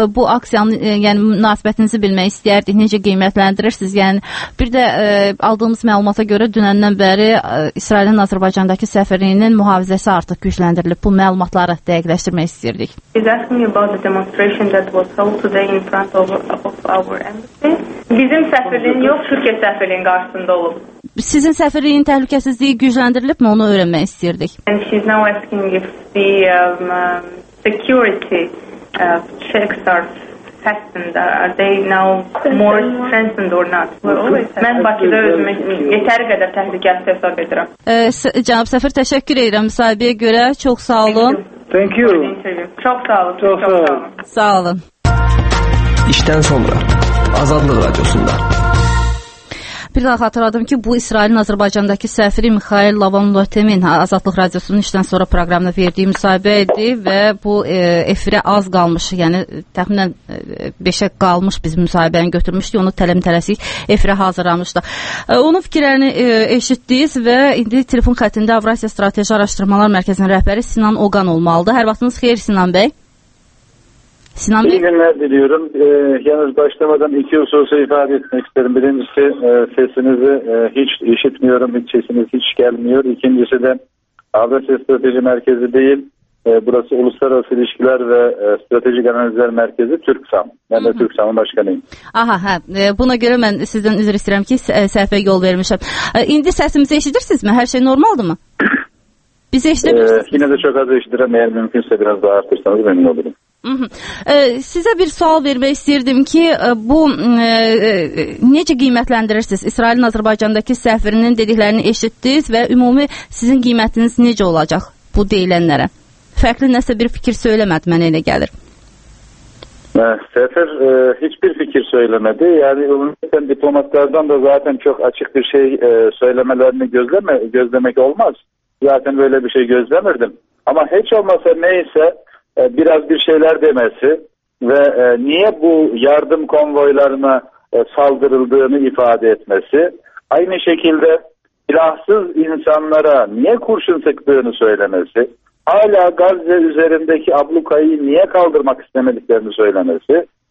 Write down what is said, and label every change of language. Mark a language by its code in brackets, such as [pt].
[az] Bu aksiyanın yəni münasibətinizi bilmək istəyərdik. Necə qiymətləndirirsiniz? Yəni bir də aldığımız məlumata görə dünəndən bəri İsrailin Azərbaycandakı səfirliyinin mühafizəsi artıq gücləndirilib. Bu məlumatları dəqiqləşdirmək istəyirdik. [en] Is asking about the demonstration that was held today in front of our embassy. [az] Bizim səfirliyin yox, Türkiyə səfirliyin qarşısında olub. Sizin səfirliyin təhlükəsizliyi gücləndirilib mi? Onu öyrənmək istəyirdik. [en] And she's now asking if the security checks are fastened. Are they now more strengthened or not? [az] Mən Bakıda özümü yetəri qədər təhlükəsiz hesab edirəm. Cənab səfir, təşəkkür edirəm müsahibəyə görə. Çox sağ olun. [en] Thank you. [az] Çox sağ olun. Sağ olun. İşdən sonra Azadlıq Radiosunda. bir daha hatırladım ki, bu İsrail'in Azərbaycandakı səfiri Mikhail Lavon-Lotemin Azadlıq Radiosunun işdən sonra proqramına verdiyi müsahibə idi və bu efirə az qalmış, yəni təxminən 5-ə qalmış bizim müsahibəni götürmüşdü, onu tələm-tələsik efirə hazırlamışdı. Onun fikirlərini eşitdiyiz və indi telefon xəttində Avrasiya Strateji Araşdırmalar Mərkəzinin rəhbəri Sinan Oğan olmalıdır. Hər vaxtınız xeyir Sinan bəy. [tr] Sinan Bey. İyi günler diliyorum. Yalnız başlamadan iki hususu ifade etmek isterim. Birincisi sesinizi hiç işitmiyorum, hiç sesiniz hiç gelmiyor. İkincisi de Avrasya Strateji Merkezi değil, burası Uluslararası İlişkiler ve Stratejik Analizler Merkezi TÜRKSAM. Ben de TÜRKSAM'ın başkanıyım. Aha, ha. Buna göre ben sizden özür istiyorum ki SF yol vermişim. İndi sesimizi işitirsiniz mi? Her şey normaldı mı? Bizi işitirsiniz. Yine de çok az işitirim. Eğer mümkünse biraz daha artırsanız memnun olurum. Size bir sual vermek istedim ki, [az] bu necə qiymətləndirirsiniz? İsrail'in Azərbaycandakı səfirinin [tr] dediklerini eşitdiniz ve [az] ümumi sizin qiymətiniz necə olacak bu deyilənlere? Fərqli nəsə bir fikir [tr] söylemedi, [az] mənə elə gəlir. [tr] Səfir hiçbir fikir söylemedi. Yani [az] ümumiyyətlə diplomatlardan [tr] da zaten çok açık bir şey söylemelerini gözlemek olmaz. Zaten böyle bir şey gözlemirdim. Ama hiç olmasa neyse biraz bir şeyler demesi ve niye bu yardım konvoylarına saldırıldığını ifade etmesi, aynı şekilde silahsız insanlara niye kurşun sıktığını söylemesi, hala Gazze üzerindeki ablukayı niye kaldırmak istemediklerini söylemesi